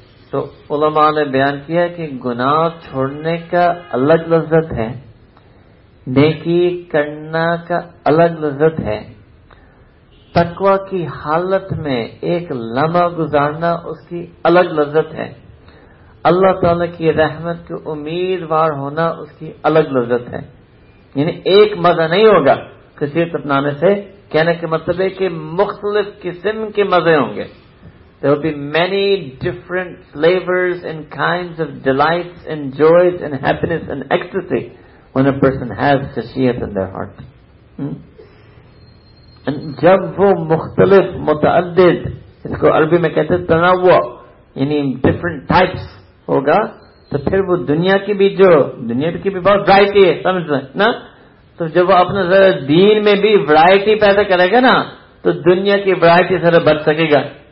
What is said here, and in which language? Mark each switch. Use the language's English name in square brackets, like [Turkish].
[Urdu] تو علماء نے بیان کیا کہ گناہ چھوڑنے کا الگ لذت ہے, نیکی کرنا کا الگ لذت ہے, تقوی کی حالت میں ایک لمحہ گزارنا اس کی الگ لذت ہے, اللہ تعالیٰ کی رحمت کے امیدوار ہونا اس کی الگ لذت ہے. یعنی ایک مزہ نہیں ہوگا خشیت اپنانے سے, کہنے کے مطلب ہے کہ مختلف قسم کے مزے ہوں گے. [English] There will be many different flavors and kinds of delights and joys and happiness and ecstasy when a person has خشیت in their heart. [Urdu] جب وہ مختلف متعدد, اس کو عربی میں کہتے ہیں تنوع, یعنی ڈفرنٹ ٹائپس ہوگا, تو پھر وہ دنیا کی بھی, جو دنیا کی بھی بہت ورائٹی ہے, سمجھ رہے نا, تو جب وہ اپنے ذرا دین میں بھی ورائٹی پیدا کرے گا نا, تو دنیا کی ورائٹی ذرا بچ سکے گا.